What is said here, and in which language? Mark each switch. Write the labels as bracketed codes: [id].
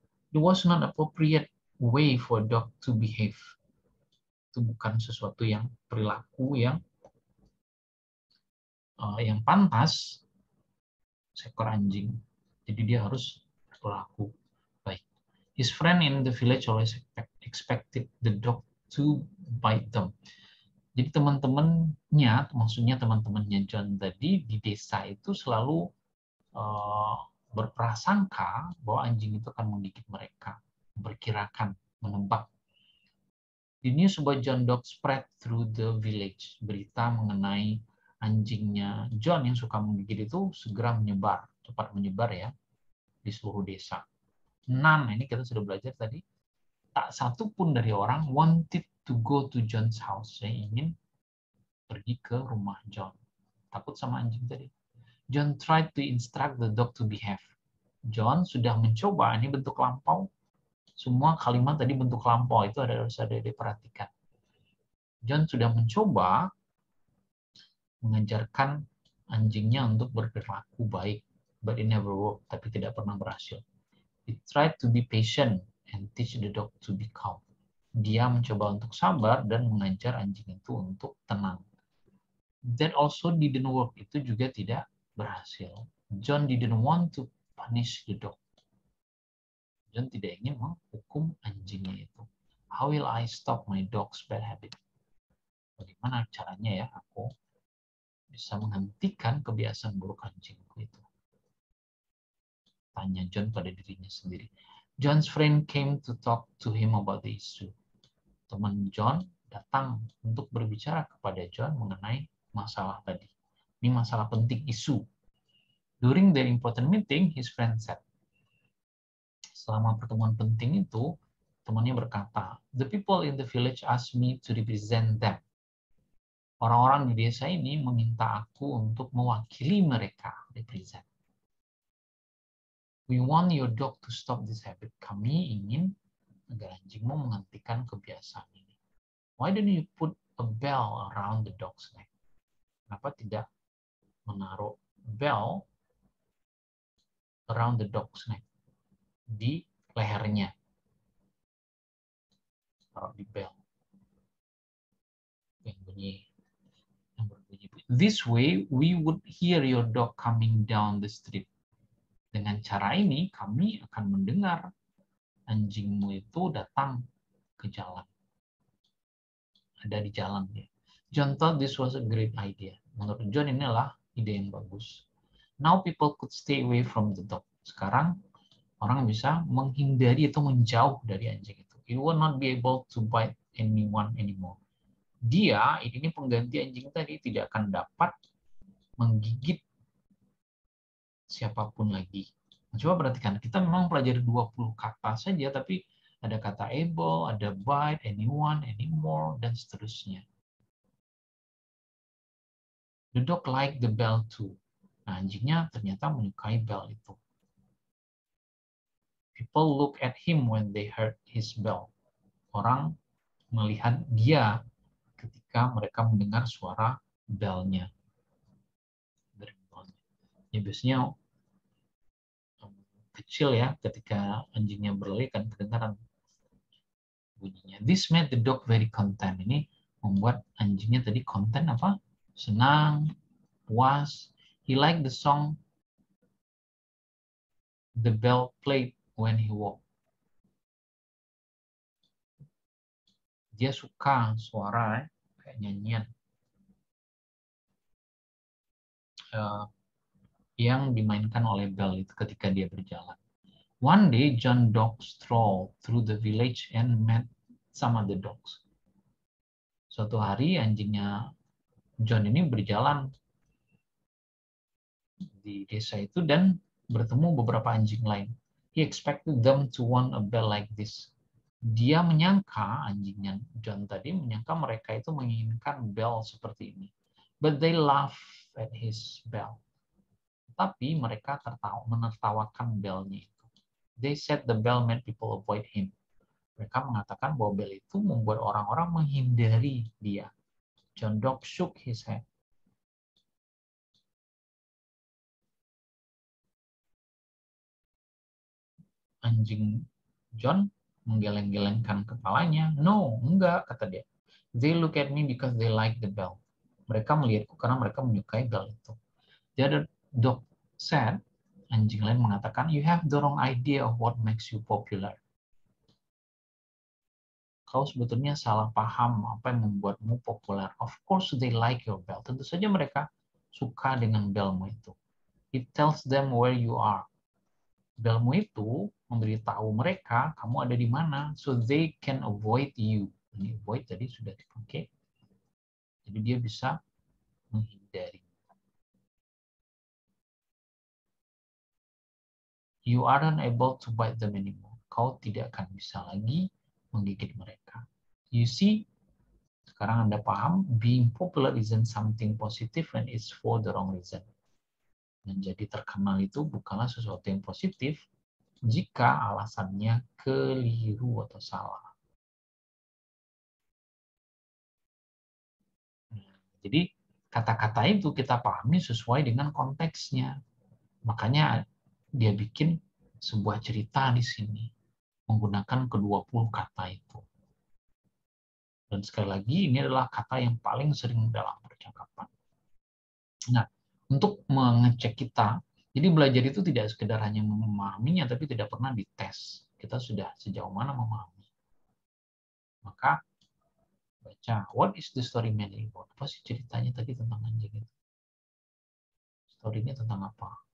[en] It was not appropriate way for dog to behave. [id] Itu bukan sesuatu yang perilaku yang pantas seekor anjing. Jadi dia harus berlaku baik. [en] His friend in the village always expected the dog to bite them. [id] Jadi teman-temannya, maksudnya teman-temannya John tadi di desa itu selalu berprasangka bahwa anjing itu akan menggigit mereka. Berkirakan, menebak. [en] The news about John Dog spread through the village. [id] Berita mengenai anjingnya John yang suka menggigit itu segera menyebar, cepat menyebar ya, di seluruh desa. None, ini kita sudah belajar tadi, tak satu pun dari orang [en] wanted to go to John's house. [id] Saya ingin pergi ke rumah John. Takut sama anjing tadi. [en] John tried to instruct the dog to behave. [id] John sudah mencoba, ini bentuk lampau. Semua kalimat tadi bentuk lampau, itu harus ada diperhatikan. John sudah mencoba mengajarkan anjingnya untuk berperilaku baik, [en] but it never worked, [id] tapi tidak pernah berhasil. [en] He tried to be patient and teach the dog to be calm. [id] Dia mencoba untuk sabar dan mengajar anjing itu untuk tenang. [en] That also didn't work, [id] itu juga tidak berhasil. [en] John didn't want to punish the dog. [id] John tidak ingin menghukum anjingnya itu. [en] How will I stop my dog's bad habit? [id] Bagaimana caranya ya aku bisa menghentikan kebiasaan buruk anjingku itu? Tanya John pada dirinya sendiri. [en] John's friend came to talk to him about the issue. [id] Teman John datang untuk berbicara kepada John mengenai masalah tadi. Ini masalah penting, isu. [en] During their important meeting, his friend said, [id] selama pertemuan penting itu, temannya berkata, [en] the people in the village asked me to represent them. [id] Orang-orang di desa ini meminta aku untuk mewakili mereka, represent. [en] We want your dog to stop this habit. [id] Kami ingin agar anjingmu menghentikan kebiasaan ini. [en] Why don't you put a bell around the dog's neck? [id] Kenapa tidak menaruh [en] bell around the dog's neck? [id] Di lehernya. Taruh di bell. Yang berbunyi. [en] This way, we would hear your dog coming down the street. [id] Dengan cara ini, kami akan mendengar anjingmu itu datang ke jalan. Ada di jalan. Ya. [en] John thought this was a great idea. [id] Menurut John, inilah ide yang bagus. [en] Now people could stay away from the dog. [id] Sekarang, orang bisa menghindari atau menjauh dari anjing itu. [en] It will not be able to bite anyone anymore. [id] Dia, ini pengganti anjing tadi, tidak akan dapat menggigit siapapun lagi. Coba perhatikan, kita memang pelajari 20 kata saja, tapi ada kata able, ada bite, anyone, anymore, dan seterusnya. [en] The dog like the bell too. [id] Nah, anjingnya ternyata menyukai bell itu. [en] People look at him when they heard his bell. [id] Orang melihat dia ketika mereka mendengar suara bell-nya. Ya, biasanya kecil ya, ketika anjingnya berlari kan kedengaran bunyinya. [en] This made the dog very content. [id] Ini membuat anjingnya tadi content apa? Senang, puas. [en] He liked the song the bell played when he walked. [id] Dia suka suara kayak nyanyian. yang dimainkan oleh Bell itu ketika dia berjalan. [en] One day, John Dog strolled through the village and met some other dogs. [id] Suatu hari, anjingnya John ini berjalan di desa itu dan bertemu beberapa anjing lain. [en] He expected them to want a bell like this. [id] Dia menyangka, anjingnya John tadi, menyangka mereka itu menginginkan bell seperti ini. [en] But they laugh at his bell. [id] Tapi mereka tertawa, menertawakan bell-nya itu. [en] They said the bell made people avoid him. [id] Mereka mengatakan bahwa bell itu membuat orang-orang menghindari dia. [en] John Dog shook his head. [id] Anjing John menggeleng-gelengkan kepalanya. No, enggak, kata dia. [en] They look at me because they like the bell. [id] Mereka melihatku karena mereka menyukai bell itu. [en] The other dog said, [id] anjing lain mengatakan, [en] you have the wrong idea of what makes you popular. [id] Kau sebetulnya salah paham apa yang membuatmu populer. [en] Of course they like your bell. [id] Tentu saja mereka suka dengan bellmu itu. [en] It tells them where you are. [id] Bellmu itu memberitahu mereka kamu ada di mana, [en] so they can avoid you. [id] Ini avoid tadi sudah dipakai. Jadi dia bisa menghindari. [en] You aren't able to bite them anymore. [id] Kau tidak akan bisa lagi menggigit mereka. [en] You see, [id] sekarang Anda paham, [en] being popular isn't something positive and it's for the wrong reason. [id] Menjadi terkenal itu bukanlah sesuatu yang positif jika alasannya keliru atau salah. Jadi kata-kata itu kita pahami sesuai dengan konteksnya. Makanya dia bikin sebuah cerita di sini menggunakan ke-20 kata itu. Dan sekali lagi ini adalah kata yang paling sering dalam percakapan. Nah, untuk mengecek kita, jadi belajar itu tidak sekedar hanya memahaminya, tapi tidak pernah dites. Kita sudah sejauh mana memahami. Maka, baca, [en] what is the story mainly about? [id] Apa sih ceritanya tadi tentang anjing itu? Story-nya tentang apa?